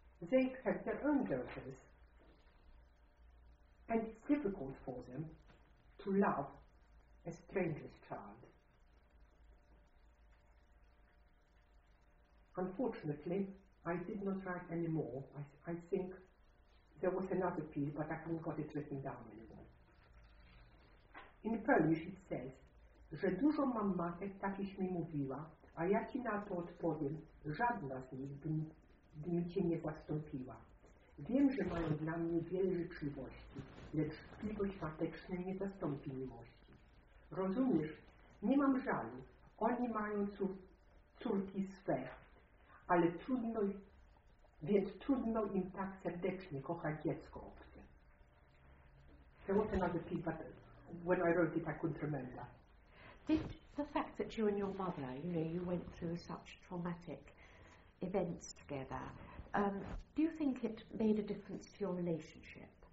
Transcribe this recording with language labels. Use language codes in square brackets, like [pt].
[en] They have their own daughters, and it's difficult for them to love a stranger's child. Unfortunately, I did not write any more. I think there was another piece, but I haven't got it written down anymore. In Polish it says, [pl] że dużo mam matek, takiś mi mówiła, a ja ci na to odpowiem, żadna z nich by mi cię nie zastąpiła. Wiem, że mają dla mnie wiele życzliwości, lecz życzliwość mateczna nie zastąpi miłości. Rozumiesz, nie mam żalu, oni mają córki swe, ale trudno, więc trudno im tak serdecznie kochać dziecko obce. [en] There was another piece, but when I wrote it, I couldn't remember. Did the fact that you and your mother, you know, you went through such traumatic events together, do you think it made a difference to your relationship?